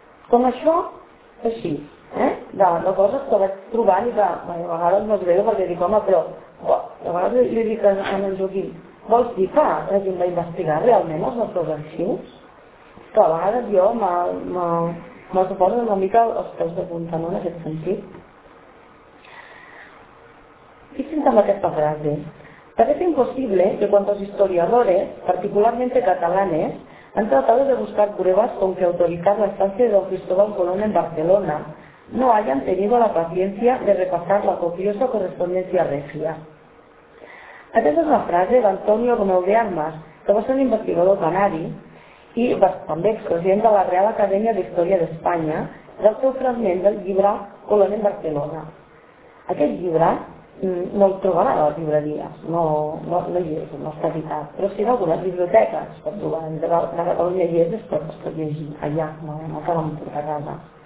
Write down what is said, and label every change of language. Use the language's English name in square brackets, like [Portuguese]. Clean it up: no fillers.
[Catalan] Com això, així, de coses que vaig trobant i que a vegades no es veu perquè dic, home, però bo, a vegades li dic a en Joaquim, vols dir que hagin d'investigar realment els nostres arxius? Que a vegades jo me suposo una mica els peus de punta, no, en aquest sentit. I sento amb aquesta frase. [Spanish] Parece imposible que cuantos historiadores, particularmente catalanes, han tratado de buscar pruebas con que autorizar la estancia de don Cristóbal Colón en Barcelona, no hayan tenido la paciencia de repasar la copiosa correspondencia regia. [Catalan] Aquesta és una frase d'Antonio Romeu de Armas, que va ser un investigador canari i també expresident de la Real Acadèmia d'Història d'Espanya, del seu fragment del llibre Colón en Barcelona. Aquest llibre no el trobarà a les llibreries, no hi és, no està editat, però sí en algunes biblioteques, per trobar, de Catalunya hi és, però es pot llegir allà, no te l'han portat a casa.